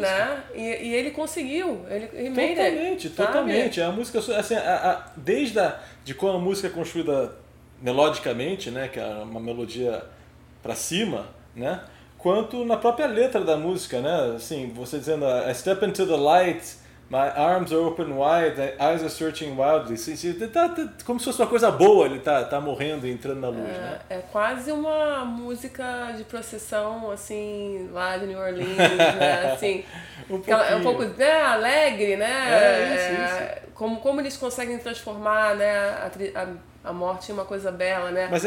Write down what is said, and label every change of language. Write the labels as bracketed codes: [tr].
[pt] Né? E ele conseguiu. Ele totalmente, [en] made it, [pt] totalmente. Sabe? É a música... Assim, desde de como a música é construída melodicamente, né? Que é uma melodia pra cima, né? Quanto na própria letra da música, né? Assim, você dizendo... [en] I step into the light... My arms are open wide, eyes are searching wildly. [pt] Como se fosse uma coisa boa, ele tá morrendo e entrando na luz, é, né? É quase uma música de procissão, assim, lá de New Orleans, né? Assim, um pouco, né, alegre, né? É isso. Como eles conseguem transformar, né, a morte em uma coisa bela, né?